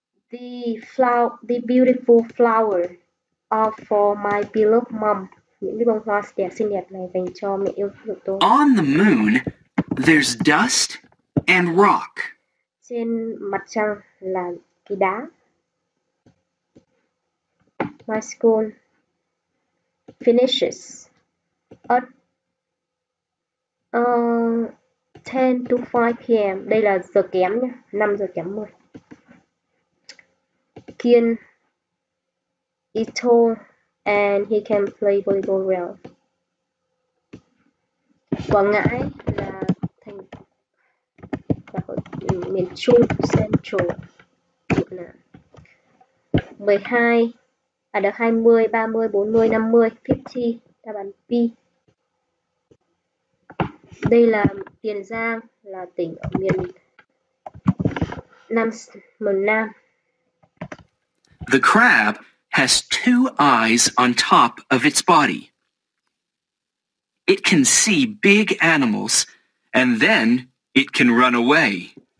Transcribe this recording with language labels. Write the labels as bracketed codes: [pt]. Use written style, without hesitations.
[en] The flower, the beautiful flower, are for my beloved mom. [vi] Những bông hoa xinh đẹp này dành cho mẹ yêu thương tôi. [en] On the moon, there's dust and rock. [vi] Trên mặt trăng là cái đá. [en] My school. Finishes at 10 to 5 p.m. [vi] Đây là giờ kém nha, 5:10. [en] Kien is tall and he can play volleyball well. [vi] Quảng Ngãi là thành là miền Trung Central Việt Nam. 12 À, được 20, 30, 40, 50, 50, đáp án B. Đây là Tiền Giang, là tỉnh ở miền Nam, miền Nam. [en] The crab has two eyes on top of its body. It can see big animals, and then it can run away.